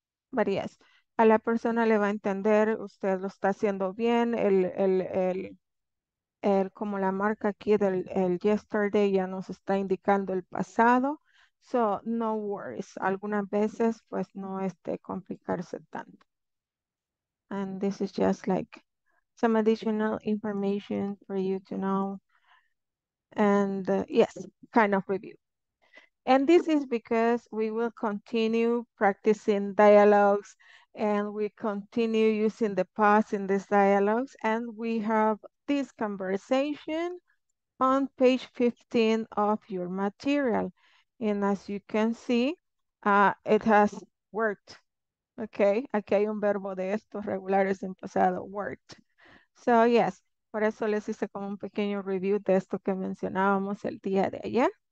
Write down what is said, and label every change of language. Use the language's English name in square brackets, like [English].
[English] But yes, [Spanish] a la persona le va a entender, usted lo está haciendo bien, el como la marca aquí del el yesterday ya nos está indicando el pasado. [English] So no worries, [Spanish] algunas veces pues no complicarse tanto. [English] And this is just like some additional information for you to know. And yes, kind of review. And this is because we will continue practicing dialogues and we continue using the past in these dialogues. And we have this conversation on page 15 of your material. And as you can see, it has worked. [Spanish] Okay, aquí hay un verbo de estos regulares en pasado, worked. [English] So yes, [Spanish] por eso les hice como un pequeño review de esto que mencionábamos el día de ayer.